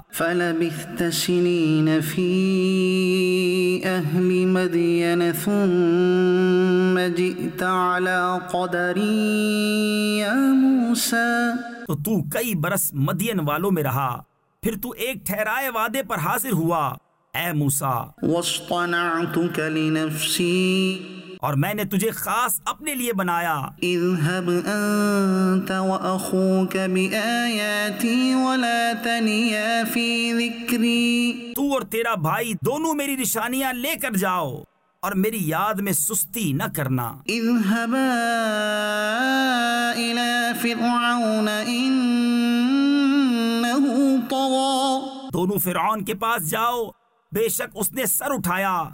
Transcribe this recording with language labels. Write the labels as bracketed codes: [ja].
[ar] فَلَبِثْتَ سِنِينَ فِي أَهْلِ مَدْيَنَ ثُمَّ جِئْتَ عَلَىٰ قَدَرٍ يَا مُوسَى [ur] تو تُو کئی برس مدین والوں میں رہا پھر تُو ایک ٹھہرائے وعدے پر حاضر ہوا اے موسیٰ [ar] وَاصْطَنَعْتُكَ لِنَفْسِي [ur] اور میں نے تجھے خاص اپنے لیے بنایا [ar] اذهب انت واخوك بآياتي ولا تنيا في ذكري [ur] تو اور تیرا بھائی دونوں میری نشانیاں لے کر جاؤ اور میری یاد میں سستی نہ کرنا [ar] اذهبا الى فرعون انه طغى [ur] دونوں فرعون کے پاس جاؤ بے شک اس نے سر اٹھایا